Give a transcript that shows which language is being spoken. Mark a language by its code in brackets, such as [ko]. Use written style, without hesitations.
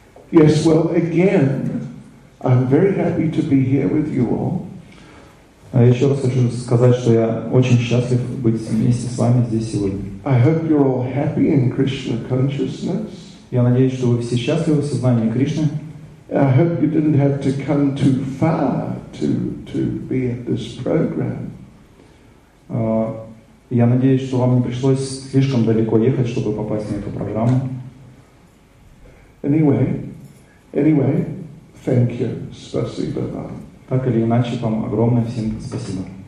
[en] Yes, well, again, I'm very happy to be here with you all. [ru] А еще раз хочу сказать, что я очень счастлив быть вместе с вами здесь сегодня. [en] I hope you're all happy in Krishna consciousness. [ru] Я надеюсь, что вы все счастливы в сознании Кришны. [en] I hope you didn't have to come too far to be at this program. [ru] Я надеюсь, что вам не пришлось слишком далеко ехать, чтобы попасть на эту программу. [en] Anyway. Thank you. [ru] Спасибо вам. Так или иначе, вам огромное всем спасибо.